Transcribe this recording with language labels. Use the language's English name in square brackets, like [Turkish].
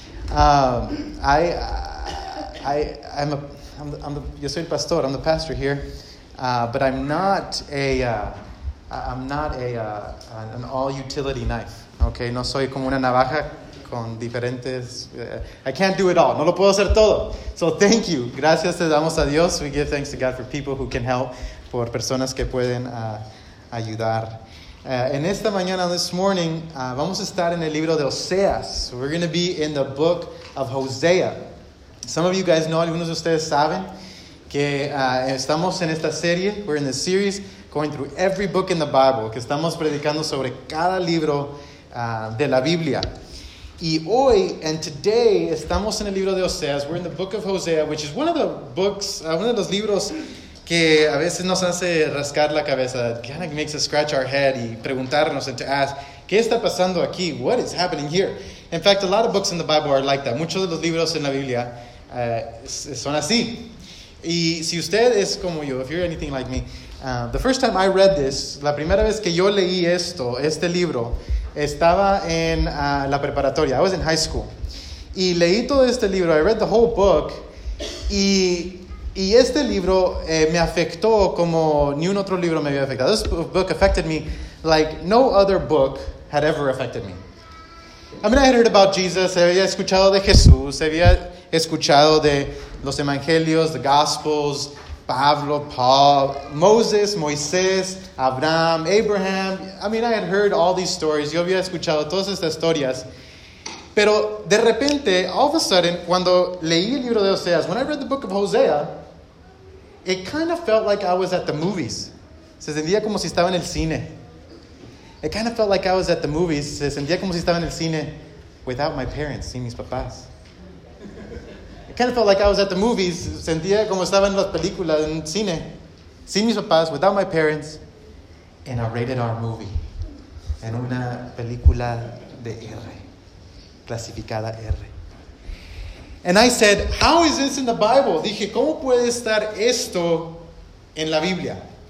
[English] I'm the pastor here, but I'm not a an all utility knife. [Spanish] Okay, no soy como una navaja con diferentes. [English] I can't do it all. [Spanish] No lo puedo hacer todo. [English] So thank you. [Spanish] Gracias te damos a Dios. [English] We give thanks to God for people who can help, [Spanish] por personas que pueden ayudar. En esta mañana, [English] this morning, [Spanish] vamos a estar en el libro de Oseas. [English] We're going to be in the book of Hosea. Some of you guys know, [Spanish] algunos de ustedes saben, que estamos en esta serie, [English] we're in the series, going through every book in the Bible, [Spanish] que estamos predicando sobre cada libro de la Biblia. Y hoy, [English] and today, [Spanish] estamos en el libro de Oseas. [English] We're in the book of Hosea, which is one of the books, one of those [Spanish] libros que a veces nos hace rascar la cabeza, [English] kind of makes us scratch our head [Spanish] y preguntarnos [English] and to ask, [Spanish] ¿qué está pasando aquí? [English] What is happening here? In fact, a lot of books in the Bible are like that. [Spanish] Muchos de los libros en la Biblia son así. Y si usted es como yo, [English] if you're anything like me, the first time I read this, [Spanish] la primera vez que yo leí esto, este libro, estaba en la preparatoria. [English] I was in high school. [Spanish] Y leí todo este libro, [English] I read the whole book, [Spanish] y este libro me afectó como ni un otro libro me había afectado. [English] This book affected me like no other book had ever affected me. I mean, I had heard about Jesus, [Spanish] había escuchado de Jesús, había escuchado de los evangelios, [English] the gospels, Pablo, Paul, Moses, Moisés, Abraham, Abraham. I mean, I had heard all these stories. [Spanish] Yo había escuchado todas estas historias. Pero de repente, [English] all of a sudden, [Spanish] cuando leí el libro de Oseas, [English] when I read the book of Hosea, it kind of felt like I was at the movies. [Spanish] Se sentía como si estaba en el cine. [English] It kind of felt like I was at the movies. [Spanish] Se sentía como si estaba en el cine [English] without my parents, [Spanish] sin mis papás. [English] It kind of felt like I was at the movies. [Spanish] Se sentía como estaba en las películas, en el cine, sin mis papás, [English] without my parents, in a rated R movie. [Spanish] En una película de R, clasificada R. [English] And I said, how is this in the Bible? [Spanish] Dije, ¿cómo puede estar esto en la Biblia?